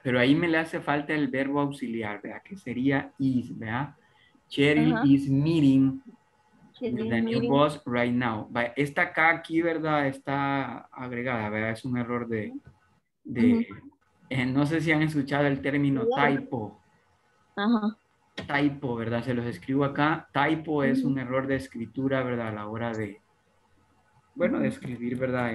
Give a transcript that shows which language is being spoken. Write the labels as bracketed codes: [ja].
[es] Pero ahí me le hace falta el verbo auxiliar, ¿verdad? Que sería is, ¿verdad? [en] Cheryl is meeting with the new boss right now. [es] Vale. Esta K aquí, ¿verdad? Está agregada, ¿verdad? Es un error de no sé si han escuchado el término typo. Typo, ¿verdad? Se los escribo acá. Typo es un error de escritura, ¿verdad? A la hora de, bueno, de escribir, ¿verdad?